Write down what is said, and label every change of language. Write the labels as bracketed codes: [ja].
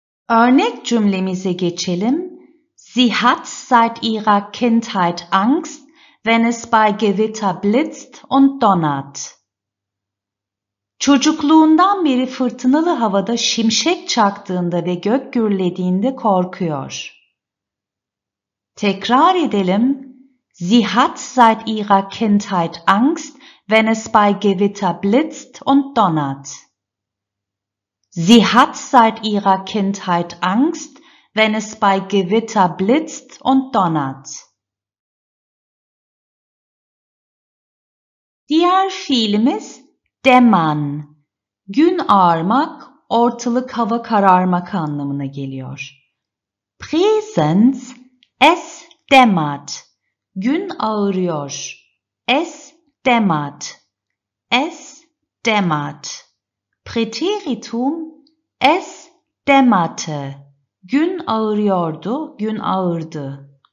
[tr] Örnek cümlemize geçelim. [de] Sie hat seit ihrer Kindheit Angst, wenn es bei Gewitter blitzt und donnert. [tr] Çocukluğundan beri fırtınalı havada şimşek çaktığında ve gök gürlediğinde korkuyor. Tekrar edelim. [de] Sie hat seit ihrer Kindheit Angst, wenn es bei Gewitter blitzt und donnert. Sie hat seit ihrer Kindheit Angst, wenn es bei Gewitter blitzt und donnert. [tr] Diğer fiilimiz dämmern. Gün ağarmak, ortalık hava kararmak anlamına geliyor. [de] Präsens, es dämmert. [tr] Gün ağırıyor. [de] Es dämmert. Es dämmert. Präteritum, es dämmerte. [tr] Gün ağırıyordu, gün ağırdı.